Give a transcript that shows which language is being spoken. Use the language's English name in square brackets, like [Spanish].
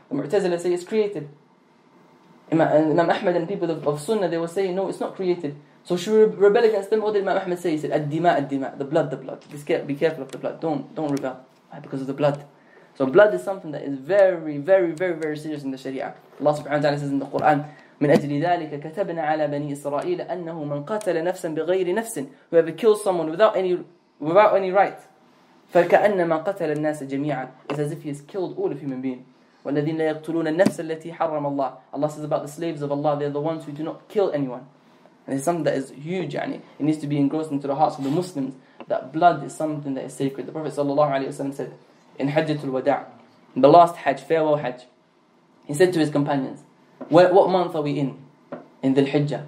[English] The Mu'tazila say it's created. Imam Ahmed and people of Sunnah, they were saying, no, it's not created. So should we rebel against them? What did Imam Ahmed say? He said, Ad-dima, the blood. Be careful of the blood. Don't rebel. Why? Because of the blood. So blood is something that is very, very, very, very serious in the Sharia. [Arabic] Allah subhanahu wa ta'ala says in the Quran, من أجل ذلك كتبنا على بني إسرائيل أنه من قتل نفسا بغير نفس [English] whoever kills someone without any right [Arabic] فكأنما قتل الناس جميعا. [English] It's as if he has killed all of human beings. [Arabic] والذين لا يقتلون النفس التي حرم الله. [English] Allah says about the slaves of Allah, they are the ones who do not kill anyone. And it's something that is huge, يعني. It needs to be engrossed into the hearts of the Muslims that blood is something that is sacred. The Prophet sallallahu alaihi wasallam said in Hajj al-Wada', the last Hajj, farewell Hajj, he said to his companions, what month are we in? In the Hijjah.